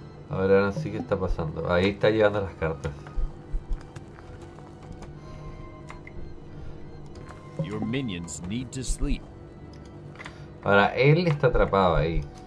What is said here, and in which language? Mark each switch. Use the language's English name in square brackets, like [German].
[Spanish] Ahora sí, que está pasando. Ahí está llevando las cartas. [English] Your minions need to sleep. [Spanish] Ahora él está atrapado ahí.